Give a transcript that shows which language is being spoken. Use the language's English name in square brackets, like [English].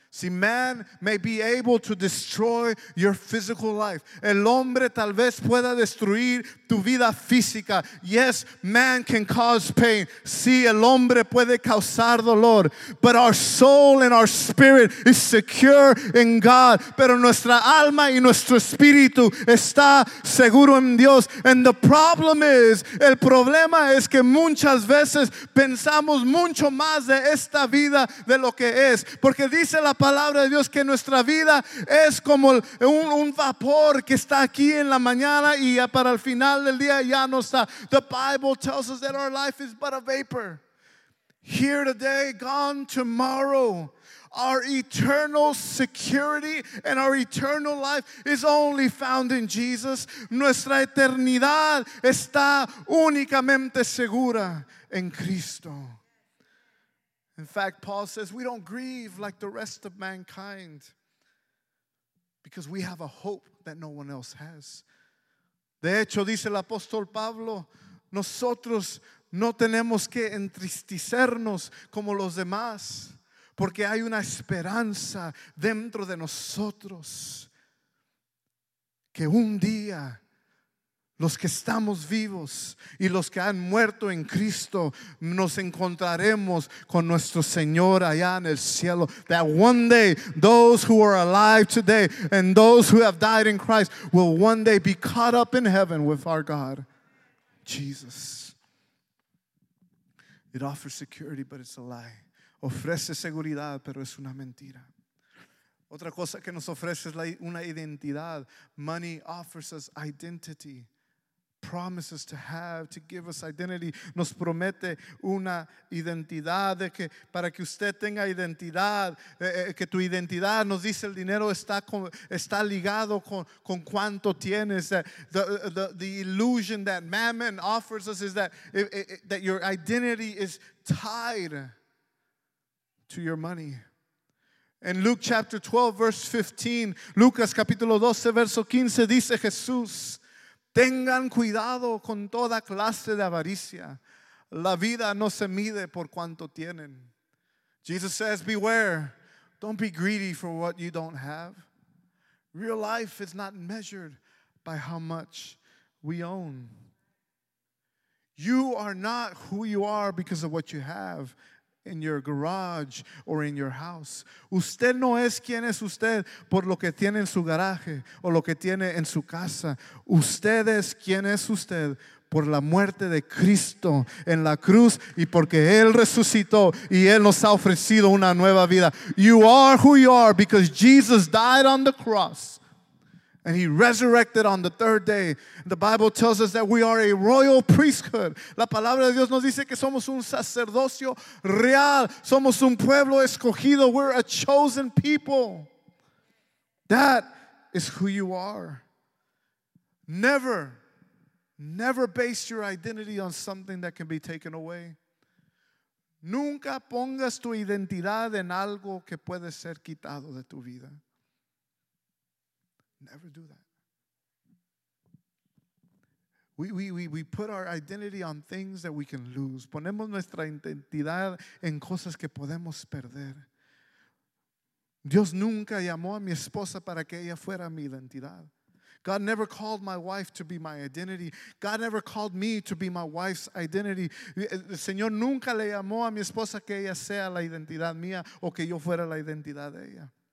[English] See, man may be able to destroy your physical life. [Spanish] El hombre tal vez pueda destruir tu vida física. [English] Yes, man can cause pain. [Spanish] Sí, el hombre puede causar dolor. [English] But our soul and our spirit is secure in God. [Spanish] Pero nuestra alma y nuestro espíritu está seguro en Dios. [English] And the problem is, [Spanish] el problema es que muchas veces pensamos mucho más de esta vida de lo que es. Porque dice la palabra de Dios que nuestra vida es como un vapor que está aquí en la mañana y ya para el final del día ya no está. [English] The Bible tells us that our life is but a vapor. Here today, gone tomorrow. Our eternal security and our eternal life is only found in Jesus. [Spanish] Nuestra eternidad está únicamente segura en Cristo. [English] In fact, Paul says, we don't grieve like the rest of mankind because we have a hope that no one else has. [Spanish] De hecho, dice el apóstol Pablo, nosotros no tenemos que entristecernos como los demás porque hay una esperanza dentro de nosotros que un día los que estamos vivos y los que han muerto en Cristo nos encontraremos con nuestro Señor allá en el cielo. [English] That one day, those who are alive today and those who have died in Christ will one day be caught up in heaven with our God, Jesus. It offers security, but it's a lie. [Spanish] Ofrece seguridad, pero es una mentira. Otra cosa que nos ofrece es una identidad. [English] Money offers us identity. Promises to have, to give us identity. [Spanish] Nos promete una identidad de que para que usted tenga identidad, que tu identidad, nos dice el dinero está ligado con cuánto tienes. [English] The illusion that mammon offers us is that that your identity is tied to your money. In Luke chapter 12, verse 15, [Spanish] Lucas capítulo 12, verso 15, dice Jesús, tengan cuidado con toda clase de avaricia. La vida no se mide por cuánto tienen. [English] Jesus says, beware. Don't be greedy for what you don't have. Real life is not measured by how much we own. You are not who you are because of what you have in your garage or in your house. [Spanish] Usted no es quien es usted por lo que tiene en su garaje o lo que tiene en su casa. Usted es quien es usted por la muerte de Cristo en la cruz y porque Él resucitó y Él nos ha ofrecido una nueva vida. [English] You are who you are because Jesus died on the cross and He resurrected on the third day. The Bible tells us that we are a royal priesthood. [Spanish] La palabra de Dios nos dice que somos un sacerdocio real. Somos un pueblo escogido. [English] We're a chosen people. That is who you are. Never, never base your identity on something that can be taken away. [Spanish] Nunca pongas tu identidad en algo que puede ser quitado de tu vida. [English] Never do that. We put our identity on things that we can lose. [Spanish] Ponemos nuestra identidad en cosas que podemos perder. Dios nunca llamó a mi esposa para que ella fuera mi identidad. [English] God never called my wife to be my identity. God never called me to be my wife's identity. [Spanish] El Señor nunca le llamó a mi esposa que ella sea la identidad mía o que yo fuera la identidad de ella.